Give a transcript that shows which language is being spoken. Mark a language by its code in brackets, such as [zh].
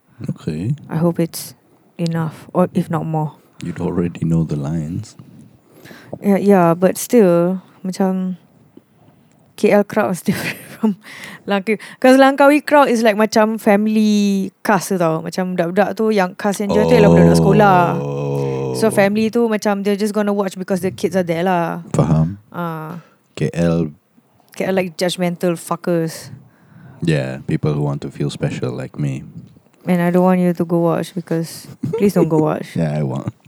[en] Okay. I hope it's enough, or if not more. You'd already know the lines. Yeah, but still, macam KL crowd is different from Langkawi. Because Langkawi crowd is like macam family cast tau. [ms] Macam budak-budak tu yang cast yang jual tu ialah budak-budak sekolah. [en] So family [ms] tu macam [en] they're just gonna watch because the kids are there lah. [ms] Faham. KL. [en] KL like judgmental fuckers. Yeah, people who want to feel special like me. And I don't want you to go watch because please don't go watch. Yeah, I won't.